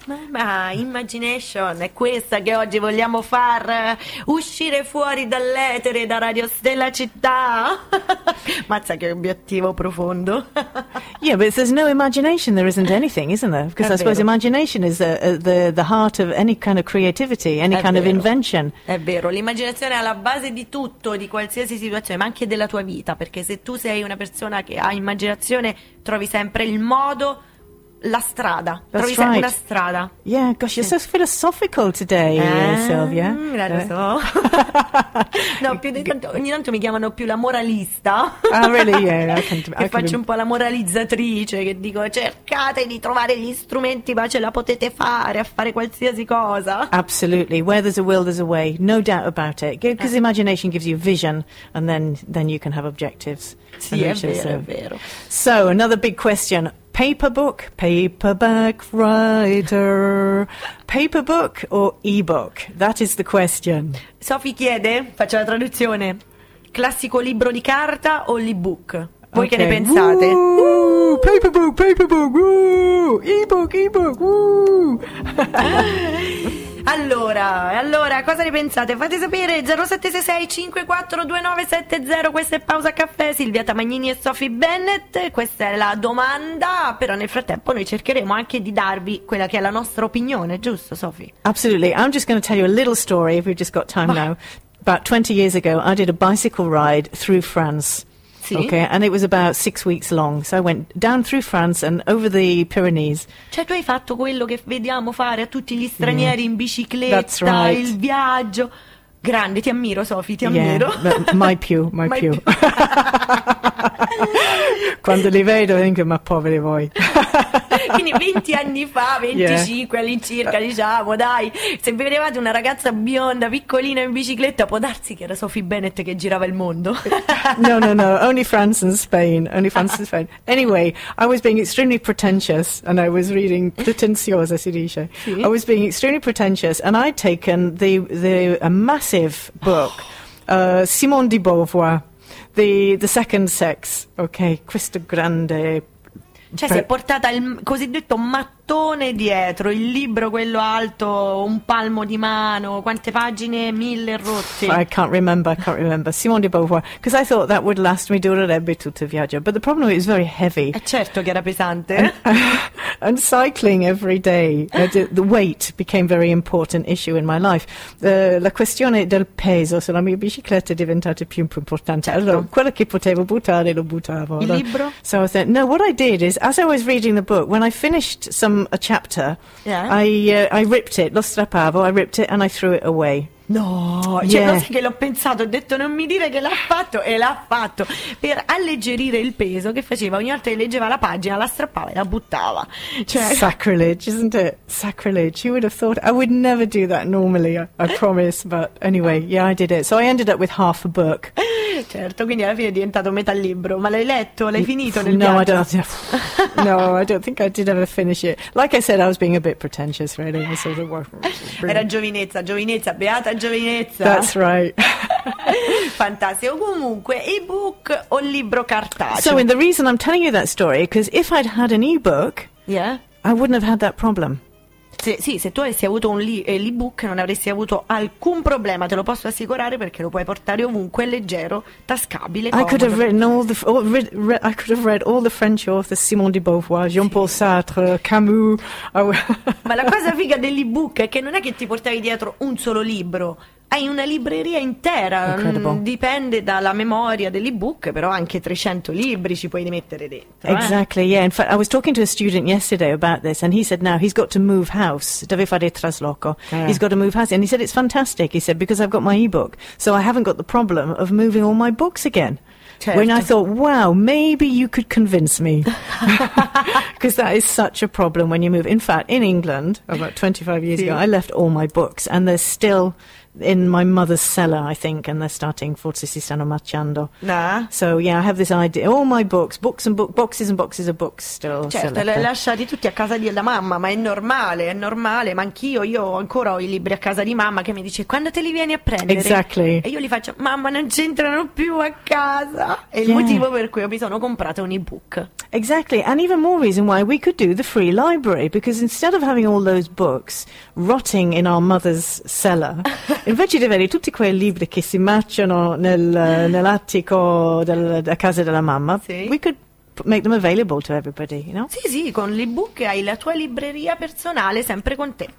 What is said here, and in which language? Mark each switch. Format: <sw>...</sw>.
<it>Ma Imagination è questa che oggi vogliamo far uscire fuori dall'etere da Radio Stella Città. Mazza che obiettivo profondo.</it> <en>Yeah, but if there's no imagination, there isn't anything, isn't there? Because</en> <it>è</it> <en>I suppose</en> <it>vero.</it> <en>Imagination is the heart of any kind of creativity, any</en> <it>è</it> <en>kind</en> <it>vero.</it> <en>Of invention.</en> <it>È vero, l'immaginazione è alla base di tutto, di qualsiasi situazione, ma anche della tua vita, perché se tu sei una persona che ha immaginazione, trovi sempre il modo, la strada.</it> <en>That's</en> <it>trovi</it> <en>right.</en> <it>sempre la strada.</it> <en>Yeah, gosh, you're so philosophical today, Sylvia.</en> <it>Lo so. No, più di tanto, ogni tanto mi chiamano più la moralista.</it> <en>Ah, really? Yeah, I can</en> <it>faccio un po' la moralizzatrice, che dico, cercate di trovare gli strumenti, ma ce la potete fare, a fare qualsiasi cosa.</it> <en>Absolutely. Where there's a will, there's a way. No doubt about it. Because imagination gives you vision, and then you can have objectives.</en> <it>Sì, è vero, so. È vero.</it> <en>So, another big question. Paper book, paperback writer, paper book or ebook? That is the question.</en> <it>Sophie chiede, faccio la traduzione, classico libro di carta o l'ebook? Voi</it> <en>okay.</en> <it>che ne pensate?</it> <en>Woo! Paper book, ebook.</en> <it>Allora, cosa ne pensate? Fate sapere 0766 542 970. Questa è Pausa Caffè, Silvia Tamagnini e Sophie Bennett. Questa è la domanda. Però nel frattempo noi cercheremo anche di darvi quella che è la nostra opinione, giusto Sophie?</it> <en>Absolutely, I'm just going to tell you a little story. If we've just got time now. About 20 years ago I did a bicycle ride through France.</en> <it>Sì.</it> <en>Okay, and it was about 6 weeks long. So I went down through France and over the Pyrenees.</en> <it>Cioè tu hai fatto quello che vediamo fare a tutti gli stranieri in bicicletta,</it> <en>that's right.</en> <it>Il viaggio. Grande, ti ammiro Sofì, ti ammiro. Mai più. Quando li vedo dico, ma poveri voi. Quindi 20 anni fa, 25 all'incirca, diciamo, dai. Se vedevate una ragazza bionda, piccolina in bicicletta, può darsi che era Sophie Bennett che girava il mondo.</it> <en>No, only France and Spain. Anyway, I was being extremely pretentious and I was reading,</en> <it>pretenziosa si dice. Sì.</it> <en>I was being extremely pretentious and I'd taken a massive book, Simone de Beauvoir, the Second Sex, okay,</en> <it>questo grande... Cioè si è portata il cosiddetto mattone dietro, il libro quello alto, un palmo di mano, quante pagine, 1000 rotti.</it> <en>I can't remember, Simone de Beauvoir, because I thought that would last me,</en> <it>durerebbe tutto il viaggio,</it> <en>but the problem is very heavy.</en> <it>Certo che era pesante.</it> <en>And cycling every day, the weight became a very important issue in my life.</en> <it>La questione del peso sulla mia bicicletta è diventata più importante. Certo. Allora, quello che potevo buttare lo buttavo. Il libro?</it> <en>So I said, no, what I did is, as I was reading the book, when I finished a chapter, yeah. I ripped it,</en> <it>lo strappavo,</it> <en>I ripped it and I threw it away.</en> <it>No, cioè non sai che l'ho pensato, ho detto non mi dire che l'ha fatto, e l'ha fatto per alleggerire il peso che faceva ogni volta che leggeva la pagina, la strappava e la buttava. Cioè...</it> <en>Sacrilege, isn't it? Sacrilege. You would have thought I would never do that normally, I promise. But anyway, yeah, I did it. So I ended up with half a book.</en> <it>Certo, quindi alla fine è diventato metà libro. Ma l'hai letto? L'hai finito nel no, viaggio?</it> <en>I don't think I did ever finish it. Like I said, I was being a bit pretentious, really. I sort of work.</en> <it>Era giovinezza, beata giovinezza.</it> <en>That's right.</en> <it>Fantastico. Comunque, ebook o libro cartaceo?</it> <en>So, and the reason I'm telling you that story, because if I'd had an ebook, yeah, I wouldn't have had that problem.</en> <it>Se tu avessi avuto un l'ebook non avresti avuto alcun problema, te lo posso assicurare, perché lo puoi portare ovunque, leggero, tascabile, comodo.</it> <en>I could have read all the French authors, Simone de Beauvoir, Jean-Paul Sartre, Camus.</en> <it>Ma la cosa figa dell'ebook è che non è che ti portavi dietro un solo libro, hai una libreria intera. Dipende dalla memoria dell'ebook, però anche 300 libri ci puoi rimettere dentro.</it> <en>Exactly,</en> <it>eh?</it> <en>Yeah. In fact, I was talking to a student yesterday about this and he said now he's got to move house.</en> <it>Deve fare il trasloco.</it> <en>He's got to move house. And he said it's fantastic, he said, because I've got my ebook. So I haven't got the problem of moving all my books again.</en> <it>Certo.</it> <en>When I thought, wow, maybe you could convince me. Because that is such a problem when you move. In fact, in England, about 25 years ago, I left all my books and they're still... in my mother's cellar, I think, and they're starting</en> <it>Forse si stanno marciando.</it> <en>Nah. So yeah, I have this idea. All my books and boxes and boxes of books still.</en> <it>Certo, li hai lasciati tutti a casa della mamma, ma è normale, ma anch'io, io ancora ho i libri a casa di mamma che mi dice quando te li vieni a prendere.</it> <en>Exactly.</en> <it>E io li faccio, mamma, non c'entrano più a casa. E yeah. Il motivo per cui mi sono comprata un ebook.</it> <en>Exactly, and even more reason why we could do the free library, because instead of having all those books rotting in our mother's cellar.</en> <it>Invece di avere tutti quei libri che si marciano nell'attico della casa della mamma, sì.</it> <en>We could make them available to everybody, you know?</en> <it>Sì, sì, con l'ebook hai la tua libreria personale sempre con te.</it>